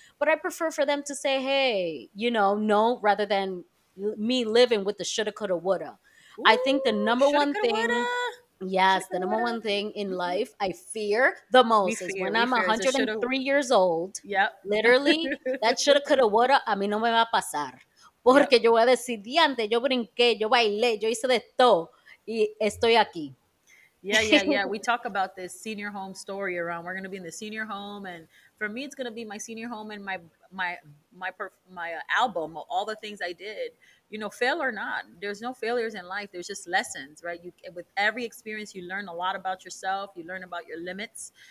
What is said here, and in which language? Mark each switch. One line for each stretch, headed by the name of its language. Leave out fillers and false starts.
English: But I prefer for them to say, hey, you know, no, rather than me living with the shoulda, coulda, woulda. Ooh, I think the number one thing... Yes, the number one thing in life I fear the most is when I'm 103 years old. Yep. Literally, that shoulda, coulda, woulda,
Spanish: a mí no me va a pasar. Porque yo voy a decir, diante, yo brinqué, yo bailé, yo hice de todo, y estoy aquí.
English: Yeah. We talk about this senior home story around. We're going to be in the senior home. And for me, it's going to be my senior home and my album, all the things I did. You know, fail or not, there's no failures in life. There's just lessons, right? You, with every experience, you learn a lot about yourself. You learn about your limits.